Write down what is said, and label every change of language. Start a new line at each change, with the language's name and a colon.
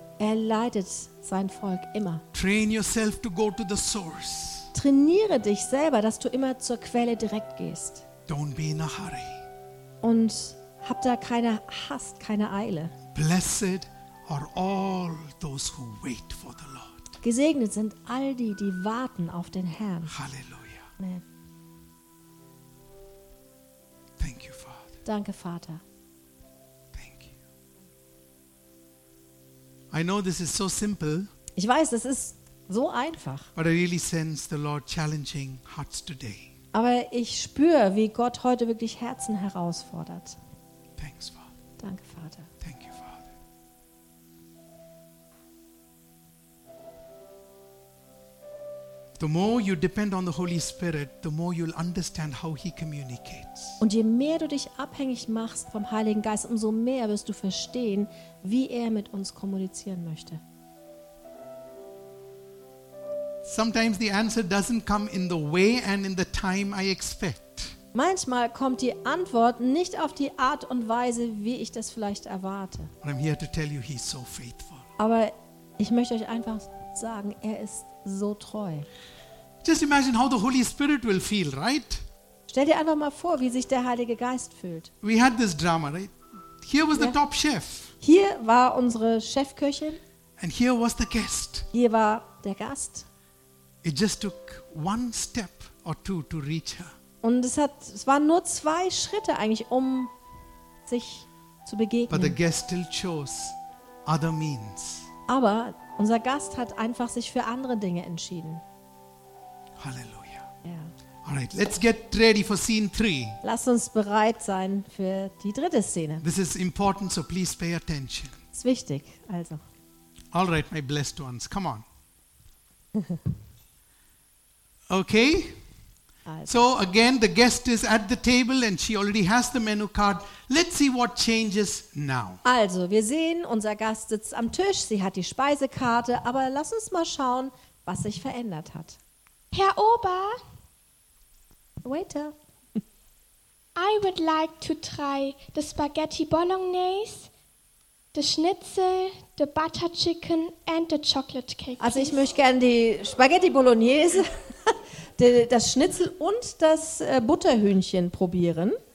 German: Er leitet sein Volk immer.
English: Train yourself to go to the source.
German: Trainiere dich selber, dass du immer zur Quelle direkt gehst.
English: Don't be in a hurry.
German: Und hab da keine Hast, keine Eile.
English: Blessed are all those who wait for the Lord.
German: Gesegnet sind all die, die warten auf den Herrn. Halleluja. Amen.
English: Thank you, Father.
German: Danke, Vater.
English: Thank you. I know this is so simple.
German: Ich weiß, das ist so einfach.
English: But I really sense the Lord challenging hearts today.
German: Aber ich spüre, wie Gott heute wirklich Herzen herausfordert.
English: Thanks, Father.
German: Danke, Vater.
English: Thank you, Father. The more you depend on the Holy Spirit, the more you'll understand how He communicates.
German: Und je mehr du dich abhängig machst vom Heiligen Geist, umso mehr wirst du verstehen, wie er mit uns kommunizieren möchte.
English: Sometimes the answer doesn't come in the way and in the time I expect.
German: Manchmal kommt die Antwort nicht auf die Art und Weise, wie ich das vielleicht erwarte.
English: But I'm here to tell you, he's so faithful.
German: Aber ich möchte euch einfach sagen, er ist so treu.
English: Just imagine how the Holy Spirit will feel, right?
German: Stell dir einfach mal vor, wie sich der Heilige Geist fühlt.
English: We had this drama, right? Here was the top chef.
German: Hier war unsere Chefköchin.
English: And here was the guest.
German: Hier war der Gast.
English: It just took one step or two to reach her.
German: Und es waren nur zwei Schritte eigentlich, um sich zu begegnen.
English: But the guest still chose other means.
German: Aber unser Gast hat einfach sich für andere Dinge entschieden. Halleluja.
English: Yeah. All right, let's get ready for scene 3.
German: Lass uns bereit sein für die dritte Szene.
English: This is important, so please pay attention.
German: Ist wichtig, also.
English: All right, my blessed ones, come on. Okay,
German: also.
English: So again, the guest is at the table and she already has the menu card. Let's see what changes now.
German: Also, wir sehen, unser Gast sitzt am Tisch, sie hat die Speisekarte, aber lass uns mal schauen, was sich verändert hat. Herr Ober.
English: Waiter. I would like to try the spaghetti bolognese, the schnitzel, the butter chicken and the chocolate cake.
German: Also, ich möchte gerne die Spaghetti Bolognese, das Schnitzel und das Butterhühnchen probieren.